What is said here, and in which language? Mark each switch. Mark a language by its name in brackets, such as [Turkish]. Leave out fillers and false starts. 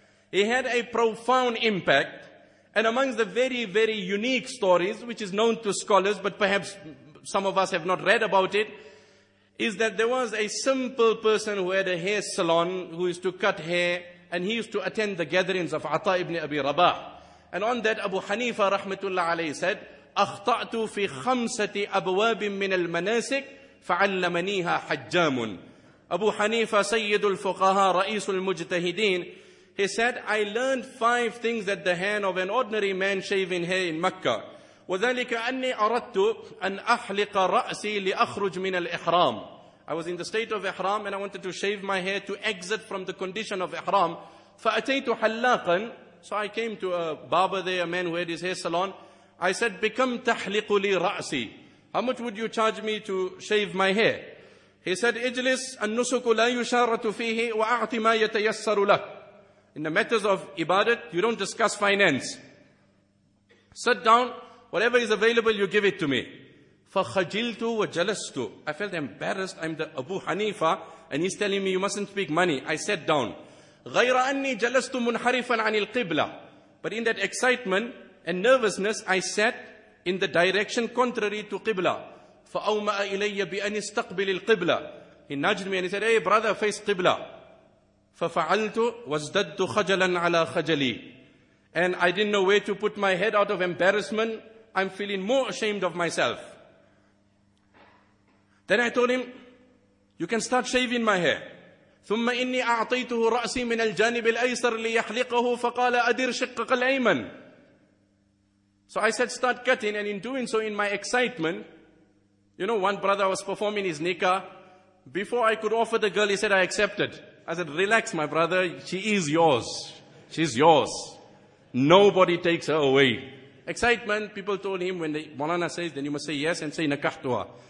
[English] He had a profound impact. And amongst the very, very unique stories, which is known to scholars, but perhaps some of us have not read about it, is that there was a simple person who had a hair salon, who used to cut hair, and he used to attend the gatherings of Ata ibn Abi Rabah. And on that, Abu Hanifa, rahmatullah alayhi, said, [Arabic] أخطأت في خمسة أبواب من المناسك فعلمنيها حجام. أبو حنيفة سيد الفقهاء رئيس المجتهدين, [English] he said, I learned five things at the hand of an ordinary man shaving hair in Mecca. [Arabic] وذلك أني أردت أن أحلق رأسي لأخرج من الإحرام. [English] I was in the state of Ihram and I wanted to shave my hair to exit from the condition of Ihram. [Arabic] فأتيت حلاقا. [English] So I came to a barber there, a man who had his hair salon. I said, [Arabic] بكم تحلق لي رأسي? [English] How much would you charge me to shave my hair? [Arabic] He said, اجلس النسك لا يشارة فيه وأعطي ما يتيسر لك. [English] In the matters of ibadat, you don't discuss finance. Sit down, whatever is available, you give it to me. [Arabic] فخجلت وجلست. [English] I felt embarrassed. I'm the Abu Hanifa, and he's telling me you mustn't speak money. I sat down. [Arabic] غير أني جلست منحرفا عن القبلة. [English] But in that excitement and nervousness, I sat in the direction contrary to قبلة. [Arabic] فأومأ إلي بأن استقبل القبلة. [English] He nudged me and he said, "Hey, brother, face قبلة." [Arabic] ففعلت وازددت خجلا على خجلي. [English] And I didn't know where to put my head out of embarrassment. I'm feeling more ashamed of myself. Then I told him, you can start shaving my hair. [Arabic] ثم إني أعطيته رأسي من الجانب الأيسر ليحلقه فقال أدر شقق الأيمن. [English] So I said, start cutting. And in doing so, in my excitement, you know, one brother was performing his nikah. Before I could offer the girl, he said, I accepted. I said, relax, my brother. She is yours. She's yours. Nobody takes her away. Excitement, people told him, when the Maulana says, then you must say yes and say nakahtuha.